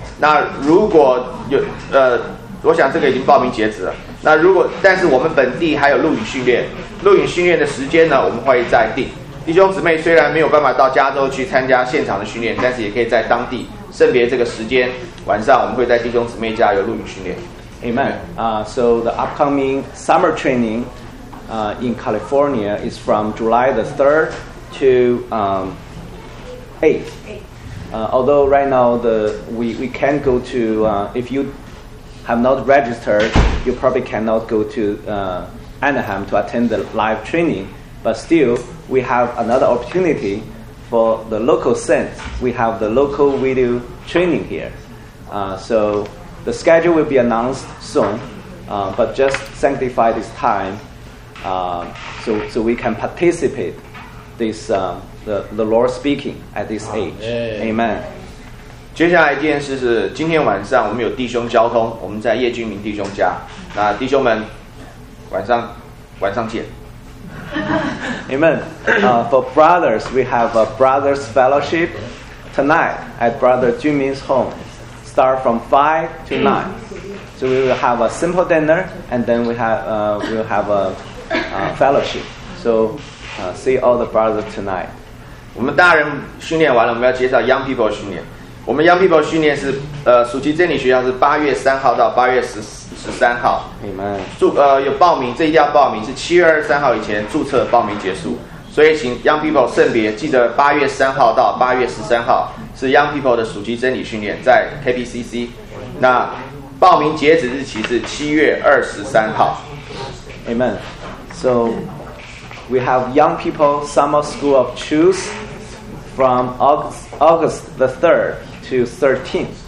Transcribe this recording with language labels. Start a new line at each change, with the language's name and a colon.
Chinese: 那如果有我想这个已经报名截止了。那如果但是我们本地还有露营训练，露营训练的时间呢，我们会再定。弟兄姊妹虽然没有办法到加州去参加现场的训练，但是也可以在当地圣别这个时间晚上，我们会在弟兄姊妹家有露营训练。
English: Amen. So the upcoming summer training in California is from July the 3rd to 8th. Although right now we can't go to, if you have not registered, you probably cannot go to Anaheim to attend the live training. But still, we have another opportunity for the local saints. We have the local video training here. So... The schedule will be announced soon, but just sanctify this time so we can participate this, the Lord speaking at this age. Amen.
Chinese: 接下来一件事是今天晚上我们有弟兄交通，我们在叶君明弟兄家。那弟兄们晚上见。
English: Amen. For brothers, we have a brothers fellowship tonight at Brother Junmin's home. Start from 5 to 9, so we will have a simple dinner, and then we'll have a fellowship. So, see all the brothers tonight.
Chinese: 我们大人训练完了，我们要介绍 young people 训练。我们 young people 训练是暑期真理学校是8月3号到8月13号。
English: Amen.
Chinese: 有报名，这一定要报名，是7月23号以前注册报名结束。所以请 Young People 圣别，记得八月三号到八月十三号是 Young People 的暑期真理训练，在 KBCC。那报名截止日期是七月二十三号。
English: Amen. So we have Young People Summer School of Truth from August the 3rd to 13th.